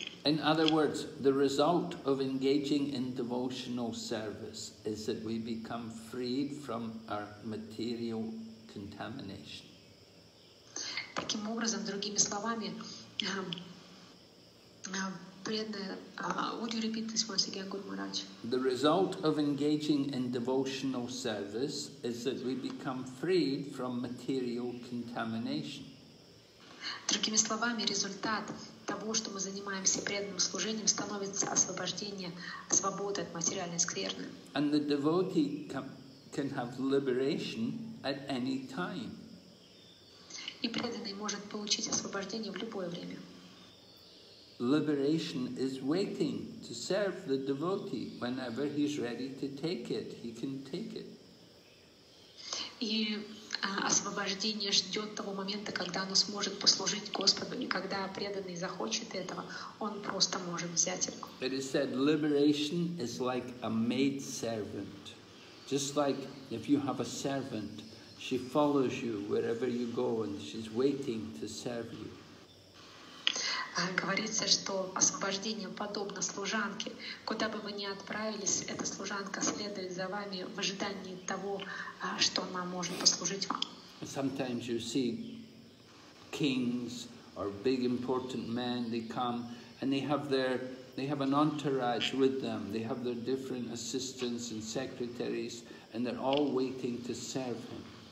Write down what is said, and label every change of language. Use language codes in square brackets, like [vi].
[en] In other words, the result of engaging in devotional service is that we become freed from our material contamination. [ru] Таким образом, другими словами, [en] The result of engaging in devotional service is that we become freed from material contamination. [ru] Другими словами, результат того, что мы занимаемся преданным служением, становится освобождение, свобода от материальной скверны. [en] And the devotee can have liberation at any time. [ru] И преданный может получить освобождение в любое время. [en] Liberation is waiting to serve the devotee whenever he's ready to take it. He can take it. [ru] И освобождение ждет того момента, когда оно сможет послужить Господу, и когда преданный захочет этого, он просто может взять его. [en] It is said liberation is like a maid servant, just like if you have a servant, she follows you wherever you go and she's waiting to serve you. [ru] Говорится, что освобождение подобно служанке. Куда бы вы ни отправились, эта служанка следует за вами в ожидании того, что она может послужить вам. [en] Sometimes you see kings or big important men, they come and they have an entourage with them. They have their different assistants and secretaries and they're all waiting to serve him.